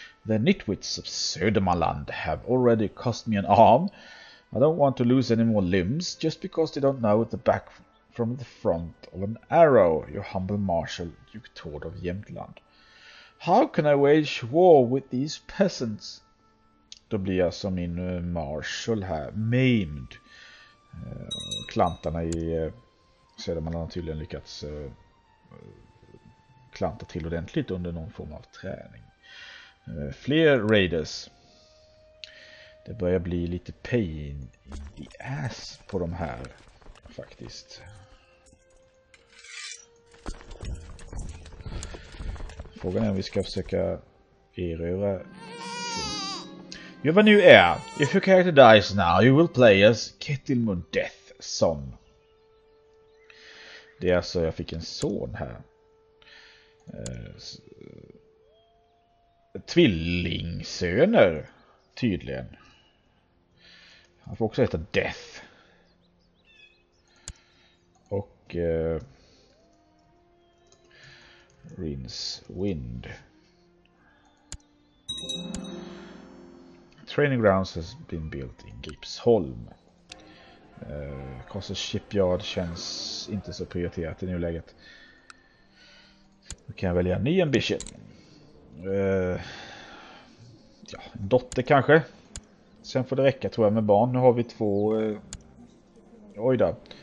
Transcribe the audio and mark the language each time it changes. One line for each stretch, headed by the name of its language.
English: The nitwits of Södermanland have already cost me an arm. I don't want to lose any more limbs just because they don't know the back from the front of an arrow, your humble marshal, Duke Tord of Jämtland. How can I wage war with these peasants?
Swedish: Då blir jag som min marshal här, maimed. Klantarna i Södermanland har tydligen lyckats klanta till ordentligt under någon form av träning. Fler raiders. Det börjar bli lite
English: pain in the ass
Swedish: på de här faktiskt. Frågan är om vi ska försöka erövra.
English: You have a new heir. If your character dies now, you will play as Ketilmund Death's son.
Swedish: Det är alltså, jag fick en son här. Tvillingsöner, tydligen. Han får också heta Death. Och Rincewind.
English: Training grounds has been built in Gripsholm.
Swedish: Castle Shipyard känns inte så prioriterat i nuläget. Då kan jag välja en ny ambition. Ja, en dotter kanske. Sen får det räcka tror jag med barn. Nu har vi två. Oj då.